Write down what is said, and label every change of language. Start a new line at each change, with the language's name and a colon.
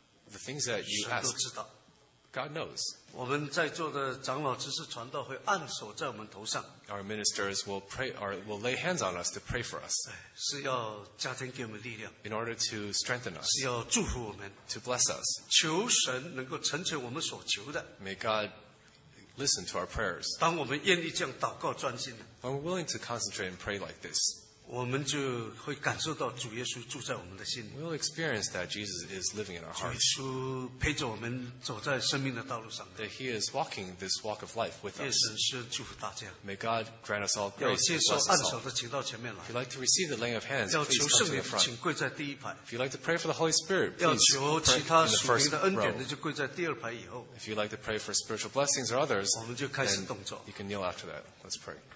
English: the things that you ask, God knows.
Chinese: 我们在座的长老知识传道会按手在我们头上,
English: our ministers will pray or will lay hands on us to pray for us.
Chinese: 是要加添给我们力量,
English: in order to strengthen us.
Chinese: 是要祝福我们,
English: to bless us.
Chinese: 求神能够成全我们所求的,
English: may God listen to our prayers.
Chinese: 当我们愿意这样祷告专心的,
English: when we're willing to concentrate and pray like this,
Chinese: 我们就会感受到主耶稣住在我们的心里,
English: we'll experience that Jesus is living in our hearts.
Chinese: 主耶稣陪着我们走在生命的道路上,
English: that He is walking this walk of life with us.
Chinese: 愿神是祝福大家,
English: may God grant us all grace and bless us all. If you'd like to receive the laying of hands, please come to the front.
Chinese: 请跪在第一排,
English: if you'd like to pray for the Holy Spirit, please pray in the first row. If you'd like to pray for spiritual blessings or others, then you can kneel after that. Let's pray.